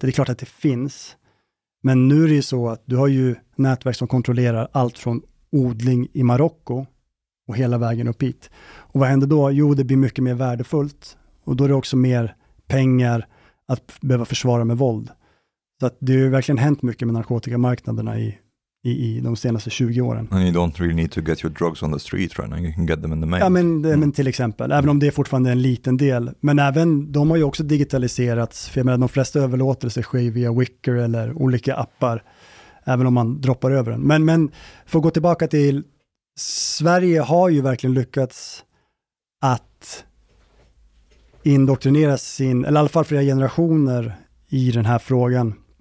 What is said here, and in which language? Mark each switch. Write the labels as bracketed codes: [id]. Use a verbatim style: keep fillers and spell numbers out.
[sv] Det är klart att det finns, men nu är det ju så att du har ju nätverk som kontrollerar allt från odling i Marocko och hela vägen upp hit. Och vad händer då? Jo, det blir mycket mer värdefullt. Och då är det också mer pengar att behöva försvara med våld. Så att det har ju verkligen hänt mycket med narkotikamarknaderna i, i, i de senaste tjugo åren. [en] And you don't really need to get your drugs on the street right now. You can get them in the mail. [sv] Ja, men, mm. men till exempel. Även om det är fortfarande en liten del. Men även, de har ju också digitaliserats. För jag menar, de flesta överlåtelser sker via Wicker eller olika appar. Även om man droppar över den. Men, men för att gå tillbaka till... Sverige har ju verkligen lyckats att indoktrinera sin, eller i alla fall flera generationer i den här frågan.